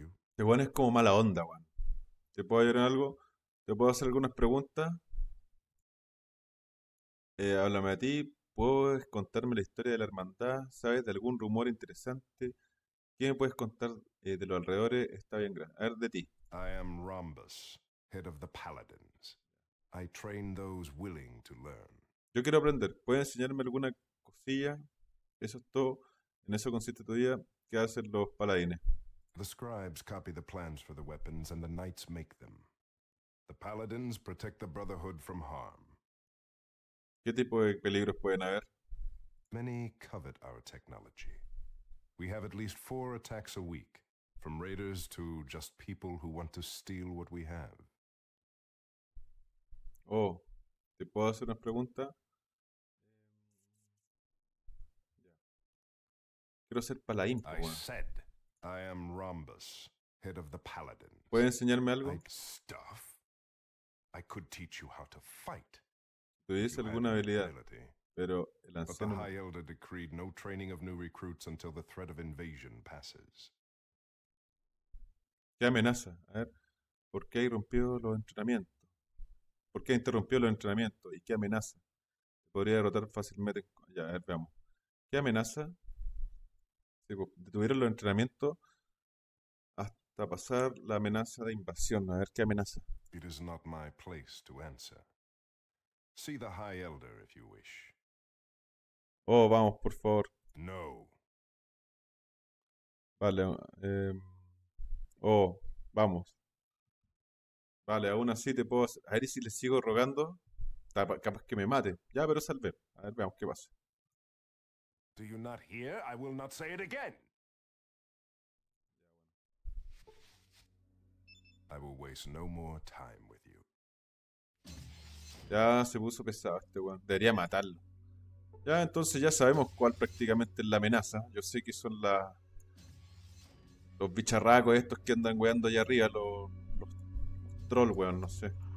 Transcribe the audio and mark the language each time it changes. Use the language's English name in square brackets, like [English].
[Spanish] Este weón es como mala onda, weón. ¿Te puedo ayudar en algo? ¿Te puedo hacer algunas preguntas? Háblame de ti. ¿Puedes contarme la historia de la hermandad? ¿Sabes de algún rumor interesante? ¿Qué me puedes contar de los alrededores? Está bien grande. A ver, de ti. [English] I am Rhombus, head of the paladins. I train those willing to learn. [Spanish] Yo quiero aprender. ¿Puedes enseñarme alguna cosilla? Eso es todo. En eso consiste tu día. ¿Qué hacen los paladines? [English] The scribes copy the plans for the weapons, and the knights make them. The paladins protect the brotherhood from harm. [Spanish] ¿Qué tipo de peligros pueden haber? [English] Many covet our technology. We have at least 4 attacks a week, from raiders to just people who want to steal what we have. [Spanish] Oh, ¿te puedo hacer una pregunta? Quiero ser paladín, por favor. [English] I said. I am Rhombus, head of the paladins. [Spanish] ¿Puedes enseñarme algo? [English] Stuff. I could teach you how to fight. [Spanish] ¿Tienes alguna habilidad? Pero el anciano. [English] But the High Elder decreed no training of new recruits until the threat of invasion passes. [Spanish] ¿Qué amenaza? A ver, ¿por qué rompió los entrenamientos? ¿Por qué interrumpió los entrenamientos? ¿Y qué amenaza? Podría derrotar fácilmente. Ya, a ver, veamos. ¿Qué amenaza? Detuvieron los entrenamientos hasta pasar la amenaza de invasión. A ver qué amenaza. [English] It is not my place to answer. See the High Elder if you wish. [Spanish] Oh, vamos, por favor. No. Vale. Oh, vamos. Vale, aún así te puedo hacer. A ver si le sigo rogando. Capaz que me mate. Ya, pero salvé. A ver, veamos qué pasa. [English] Do you not hear? I will not say it again. I will waste no more time with you. [Spanish] Ya se puso pesado este weón. Debería matarlo. Ya, entonces ya sabemos cuál prácticamente es la amenaza. Yo sé que son los bicharracos estos que andan weando allá arriba. Los trolls, weón, no sé.